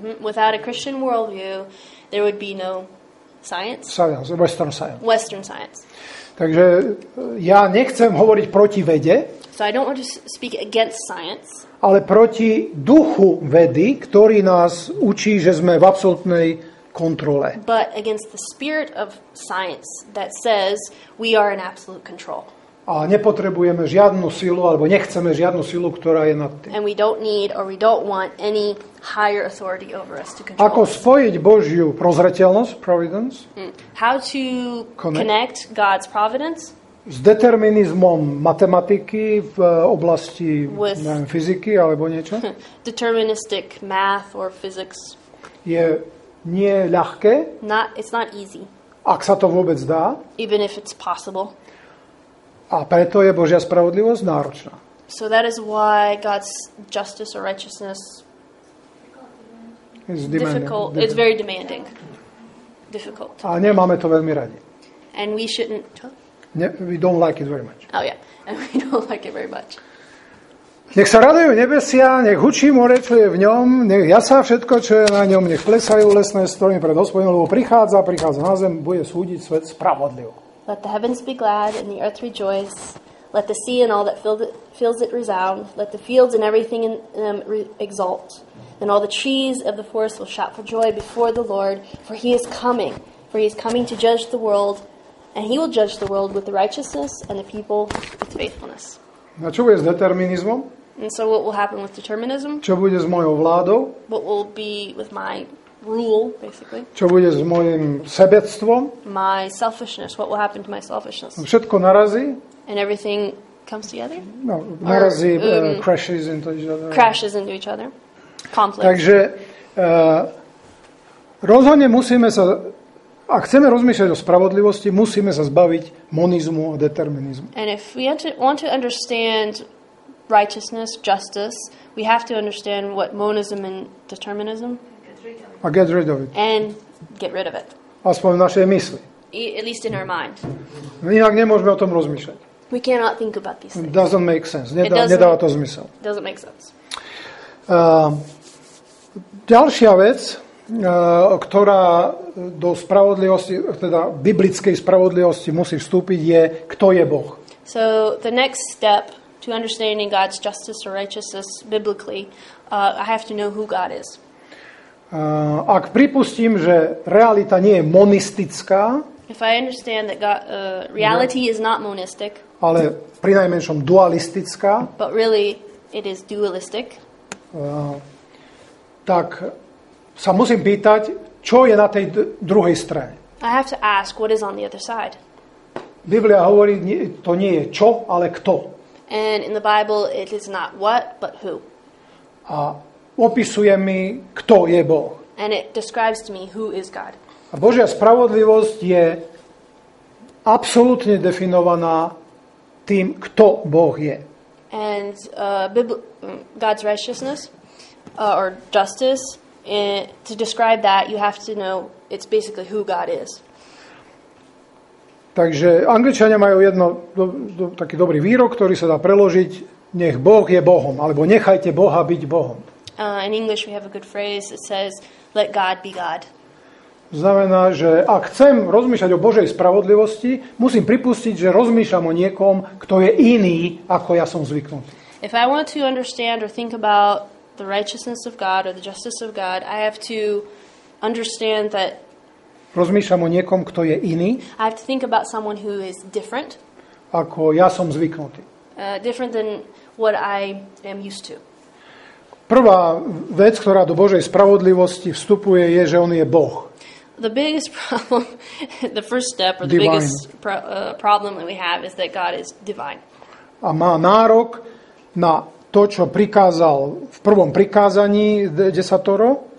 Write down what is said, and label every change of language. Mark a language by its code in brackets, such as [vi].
[en] Without a Christian worldview, there would be no science. Western science. [sk] Takže ja nechcem hovoriť proti vede. [en] So I don't want to speak against science. [sk] Ale proti duchu vedy, ktorý nás učí, že sme v absolútnej kontrole. [en] But against the spirit of science that says we are in absolute control. [sk] A nepotrebujeme žiadnu silu, alebo nechceme žiadnu silu, ktorá je nad tým. [en] And we don't need or we don't want any higher authority over us to control. [sk] Ako spojiť Božiu prozreteľnosť, providence? [en] How to connect God's providence? [sk] S determinizmom matematiky v oblasti neviem, fyziky alebo niečo? [en] Deterministic math or physics. [sk] Je nie ľahké. [en] It's not easy. [sk] Ak sa to vôbec dá. [en] Even if it's possible. [sk] A preto je Božia spravodlivosť náročná. [en] So that is why God's justice or righteousness is demanding. Difficult. It's very demanding. Difficult. A nemáme to veľmi radi. And we shouldn't. We don't like it very much. Oh yeah, and we don't like it very much. [sk] Nech sa radujú nebesia, nech hučí more, čo je v ňom, nech jasá všetko, čo je na ňom, nech plesajú lesné stromy pred Hospodinom, lebo prichádza na zem, bude súdiť svet spravodlivo. [en] Let the heavens be glad and the earth rejoice. Let the sea and all that fills it resound. Let the fields and everything in them exult. Then all the trees of the forest will shout for joy before the Lord, for he is coming. For he is coming to judge the world, and he will judge the world with the righteousness and the people with faithfulness. [sk] A čo bude s determinizmom? [en] And so what will happen with determinism? [sk] Čo bude s mojou vládou? [en] What will be with my rule, basically? [sk] Čo bude s mojim sebectvom? [en] My selfishness. What will happen to my selfishness? [sk] Všetko narazí? [en] And everything comes together? [sk] No, narazí, [en] crashes into each other. Crashes into each other. Conflict. [sk] Takže rozhodne musíme sa, ak chceme rozmýšľať o spravodlivosti, musíme sa zbaviť monizmu a determinizmu. [en] And if we want to understand righteousness, justice, we have to understand what monism and determinism. And get rid of it. And get rid of it. [sk] Aspoň v našej mysli. [en] At least in our mind. [sk] Inak nemôžeme o tom rozmýšľať. [en] We cannot think about these things. It doesn't make sense. [sk] Nedáva to zmysel. [en] It doesn't make sense. [sk] Ďalšia vec, ktorá do spravodlivosti, teda biblickej spravodlivosti musí vstúpiť, je, kto je Boh. [en] So the next step to understanding God's justice or righteousness biblically, I have to know who God is. [sk] Ak pripustím, že realita nie je monistická, [en] if I understand that God, reality is not monistic, [sk] ale prinajmenšom dualistická, [en] but really it is dualistic, [sk] tak sa musím pýtať, čo je na tej druhej strane. [en] I have to ask what is on the other side. [sk] Biblia hovorí, to nie je čo, ale kto. [en] And in the Bible it is not what but who. [sk] A opisuje mi, kto je Boh. [en] And it describes to me who is God. [sk] A Božia spravodlivosť je absolútne definovaná tým, kto Boh je. [en] And God's righteousness or justice, to describe that you have to know it's basically who God is. [sk] Takže Angličania majú jedno taký dobrý výrok, ktorý sa dá preložiť: nech Boh je Bohom, alebo nechajte Boha byť Bohom. [en] In English we have a good phrase, it says let God be God. [sk] Znamená, že ak chcem rozmýšľať o Božej spravodlivosti, musím pripustiť, že rozmýšľam o niekom, kto je iný, ako ja som zvyknutý. [en] If I want to understand or think about the righteousness of God or the justice of God, I have to understand that [sk] rozmýšľam o niekom, kto je iný. [en] I have to think about someone who is different. [sk] Ako ja som zvyknutý. [en] Different than what I am used to. [sk] Prvá vec, ktorá do Božej spravodlivosti vstupuje, je, že on je Boh. [en] The biggest problem, the first step or the divine. Biggest problem that we have is that God is divine. [sk] A má nárok na to, čo prikázal v prvom prikázaní desatoro.